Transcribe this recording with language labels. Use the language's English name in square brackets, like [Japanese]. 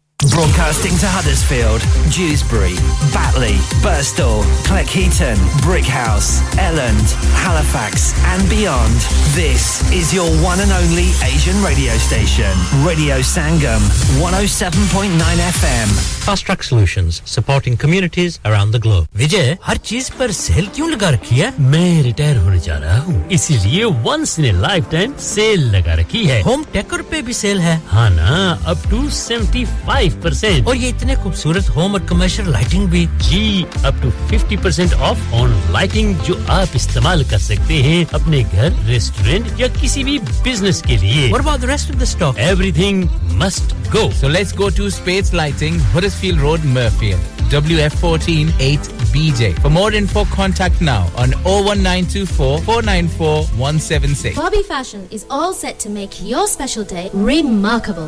[English] Broadcasting to Huddersfield, Dewsbury, Batley, Birstall, Cleckheaton, Brickhouse, Elland, Halifax and beyond. This is your one and only Asian radio station. Radio Sangam, 107.9 FM. Fast Track Solutions, supporting communities around the globe. [Hindi] विजय, हर चीज़ पर cell क्यों लगा रखी है? Main retire hone ja raha hoon. इसलिए [English] once in a lifetime sale [Hindi] लगा रखी है. Home Decor pe bhi sale hai. हाँ ना, [English] up to 75%. [Hindi] Aur ye itne khoobsurat home aur commercial lighting bhi. Ji, [English] up to 50% off on lighting [Hindi] जो आप इस्तेमाल कर सकते हैं अपने घर, रेस्टोरेंट या किसी भी बिज़नेस के लिए. [English] What about the rest of the stock? Everything must go. So let's go to Spades Lighting, Huddersfield Road, Murfield, WF14 8BJ. For more info, contact now on 01924 494176. Bobby Fashion is all set to make your special day remarkable.